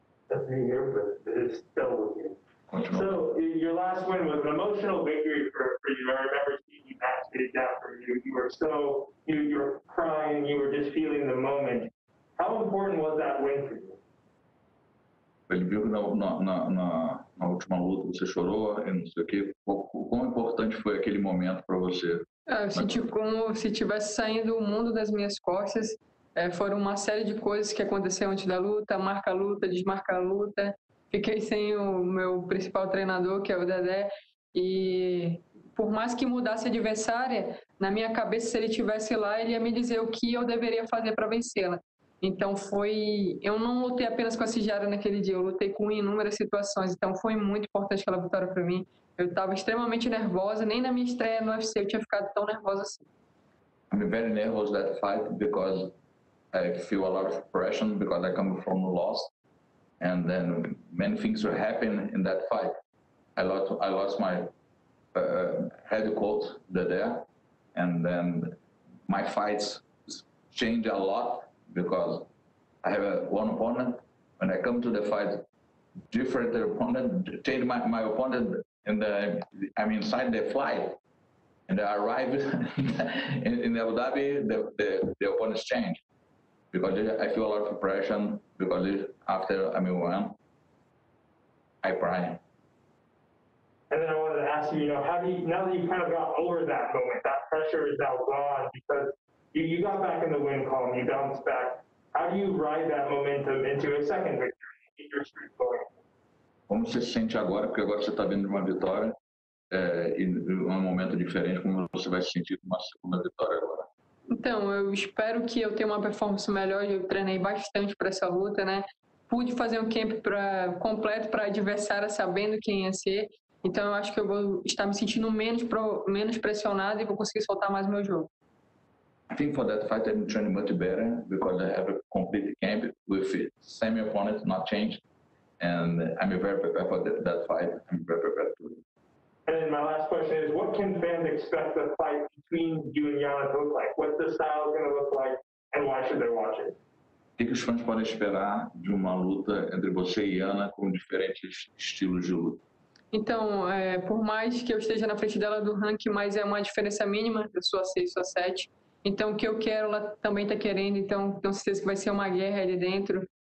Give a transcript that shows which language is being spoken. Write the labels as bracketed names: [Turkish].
[English] That's me here, but this is still with you. So, your last win was an emotional victory for you. I remember seeing you backstage after you. You were crying, you were just feeling the moment. How important was that win for you? [Portuguese] Ele viu que na última luta você chorou e não sei o quê. quão importante foi aquele momento para você? Eu senti como se tivesse saindo o mundo das minhas costas. Foram uma série de coisas que aconteceram antes da luta, marca a luta, desmarca a luta. Fiquei sem o meu principal treinador, que é o Dedé. E por mais que mudasse a adversária, na minha cabeça, se ele estivesse lá, ele ia me dizer o que eu deveria fazer para vencê-la. Então foi... Eu não lutei apenas com a Cigiara naquele dia, eu lutei com inúmeras situações. Então foi muito importante aquela vitória para mim. Eu estava extremamente nervosa, nem na minha estreia no UFC eu tinha ficado tão nervosa assim. [English] I'm very nervous that fight because I feel a lot of pressure because I come from a loss and then many things were happening in that fight. I lost my head coach there and then my fights changed a lot because I have one opponent. When I come to the fight, different opponent, change my opponent. And I'm inside the flight, and I arrived in Abu Dhabi, the opponents changed. Because I feel a lot of pressure, because after I won, I cry. And then I wanted to ask you, now that you kind of got over that moment, that pressure is now gone, because you got back in the win column, you bounced back. How do you ride that momentum into a second victory, keep your streak going? [Portuguese] Como você se sente agora? Porque agora você está vindo de uma vitória e um momento diferente. Como você vai se sentir com uma segunda vitória agora? Então, eu espero que eu tenha uma performance melhor. Eu treinei bastante para essa luta, né? Pude fazer um camp completo para a adversária sabendo quem ia ser. Então, eu acho que eu vou estar me sentindo menos pressionado e vou conseguir soltar mais meu jogo. [English] I think for that fight I'm training much better because I have a complete camp with same opponent, not changed. And I'm very prepared for that fight. I'm very prepared to win. And then my last question is, what can fans expect the fight between you and Yana to look like? What's the style going to look like, and why should they watch it? [Portuguese] O que os fãs podem esperar de uma luta entre você e Yana com diferentes estilos de luta? Então, por mais que eu esteja na frente dela do ranking, mas é uma diferença mínima, eu sou a 6, sou a 7. Então, o que eu quero, ela também está querendo. Então, tenho certeza que vai ser uma guerra ali dentro.